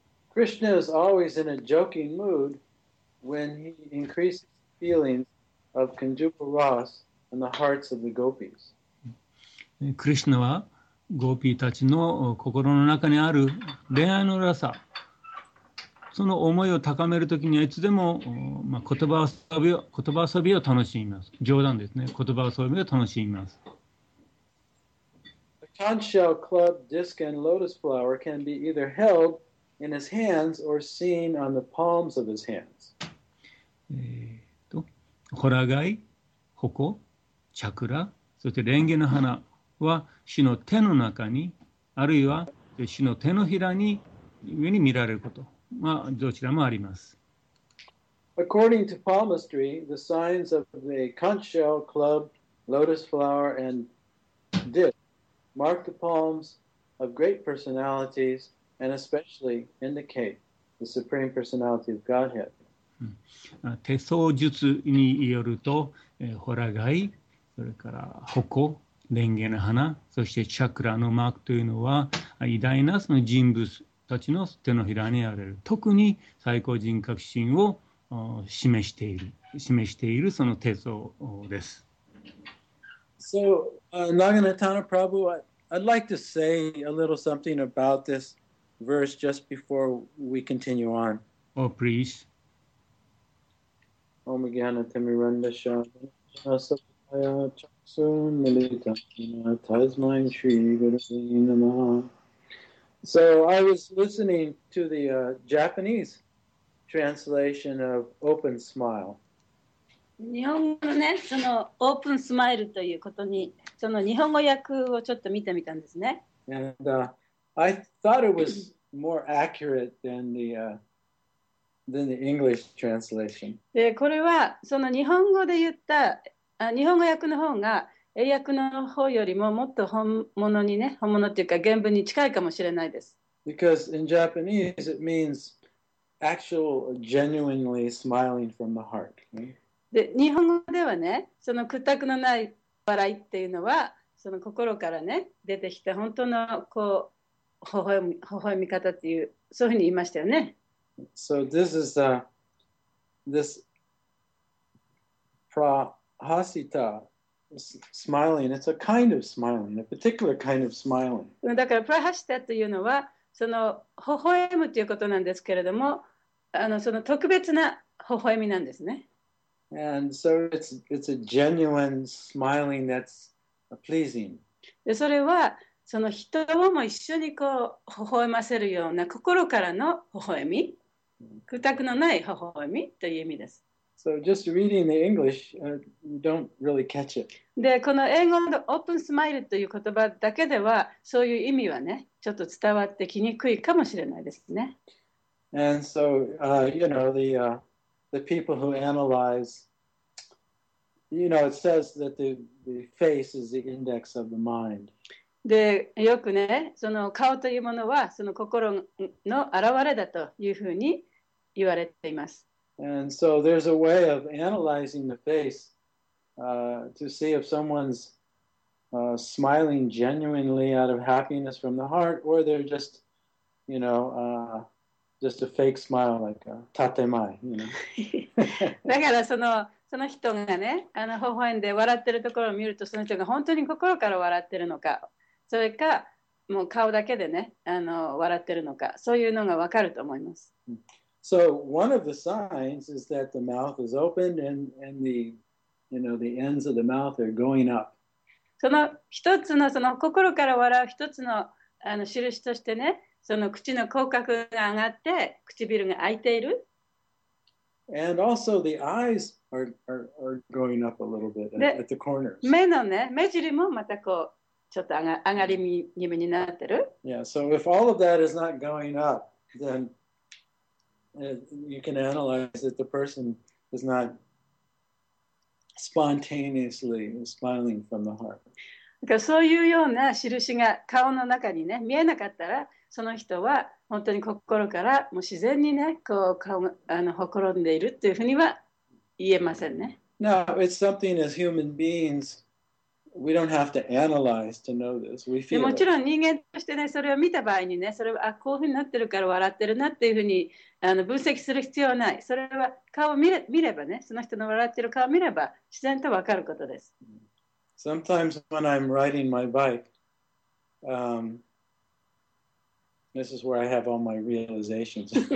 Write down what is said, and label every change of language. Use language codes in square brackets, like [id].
[en] Krishna is always in a joking mood when he increases feelings of Kanjupa Ras and the hearts of the gopis. [ja] クリシュナはゴーピーたちの心の中にある恋愛のらさ、その思いを高めるときにはいつでも、まあ、言葉遊びを楽しみます。冗談ですね。言葉遊びを楽しみます。 [en] A conch shell, club, disc, and lotus flower can be either held in his hands or seen on the palms of his hands. [ja] ホラガイ、ホコ、チャクラ、そしてレンゲの花は主の手の中に、あるいは主の手のひらに上に見られること。まあ、どちらもあります。 [en] According to palmistry, the signs of the conch shell, club, lotus flower, and disc mark the palms of great personalities and especially indicate the supreme personality of Godhead. [ja] 手相術によると、ホラガイ、それからホコ、レンゲの花、そしてチャクラのマークというのは偉大なその人物たちの手のひらにあられる。特に最高人格神を示しているその手相です。 [en] So, Naganatana Prabhu, I'd like to say a little something about this verse just before we continue on. Oh, please. [sa] Om Gyanatamirandasya Chaksunmilitamina Tasmayam Shri Guruvi Namaha. [en] So I was listening to the Japanese translation of Open Smile. [ja] 日本語のね、そのオープンスマイルということに、その日本語訳をちょっと見てみたんですね。 [en] And I thought it was more accurate than the English translation. [ja] で、これはその日本語で言った、日本語訳の方が、英訳の方よりももっと本物にね、本物っていうか原文に近いかもしれないです。 [en] Because in Japanese it means actual, genuinely smiling from the heart. [ja] で、日本語ではね、その屈託のない笑いっていうのは、その心からね、出てきた本当のこう、微笑み方っていう、そういうふうに言いましたよね。 [en] So this is this prahasita. Smiling, it's a kind of smiling, a particular kind of smiling. [ja] だからプラハシタというのはその微笑むということなんですけれども、その特別な微笑みなんですね。 [en] And so it's a genuine smiling that's pleasing. [ja] でそれはその人をも一緒にこう微笑ませるような心からの微笑み、屈託のない微笑みという意味です。 [en] So just reading the English, you don't really catch it. [ja] で、この英語のオープンスマイルという言葉だけでは、そういう意味はね、ちょっと伝わってきにくいかもしれないですね。 [en] And so, you know, the people who analyze, you know, it says that the face is the index of the mind. [ja] で、よくね、その顔というものは、その心の表れだというふうに言われています。 [en] And so there's a way of analyzing the face to see if someone's smiling genuinely out of happiness from the heart or they're just, you know, just a fake smile like a tatemai, you know. [ja] だからその人がね、微笑んで笑ってるところを見ると、その人が本当に心から笑ってるのか、それかもう顔だけでね、笑ってるのか、そういうのがわかると思います。 [en] So one of the signs is that the mouth is opened and the, you know, the ends of the mouth are going up. [ja] その一つのその心から笑う一つの印としてね、その口の口角が上がって唇が開いている。 [en] And also the eyes are going up a little bit at the corners. [ja] 目のね、目尻もまたこうちょっと上がり気味になってる。 [en] Yeah, so if all of that is not going up, then you can analyze that the person is not spontaneously smiling from the heart. [ja] そういうような印が顔の中にね、見えなかったら、その人は本当に心からもう自然にね、こう顔がほころんでいるというふうには言えませんね。 [en] Now, it's something as human beings, We don't have to analyze to know this. We feel [ja] もちろん人間としてね、それを見た場合にね、それはこういうふうになってるから笑ってるなっていうふうに分析する必要はない。それは顔を見ればね、その人の笑ってる顔を見れば自然と分かることです。 [en] Sometimes when I'm riding my bike, this is where I have all my realizations.